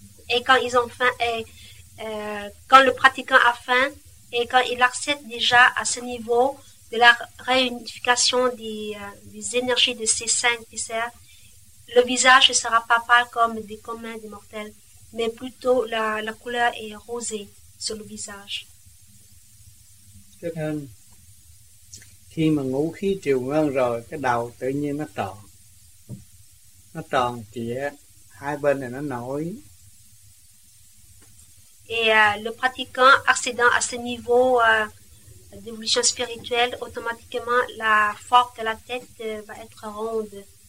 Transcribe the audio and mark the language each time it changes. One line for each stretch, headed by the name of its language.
French: Et quand ils ont faim, quand le pratiquant a faim, et quand il accepte déjà à ce niveau de la réunification des énergies de ces cinq viscères, le visage ne sera pas pâle comme des communs des mortels, mais plutôt la couleur est rosée sur le visage.
Vietnamese: Khi mà ngũ khí triều nguyên rồi, cái đầu tự nhiên nó tròn. Nó tròn trịa, hai bên này nó nổi.
French: Et le pratiquant accédant à ce niveau d'évolution spirituelle, automatiquement la forme de la tête va être ronde.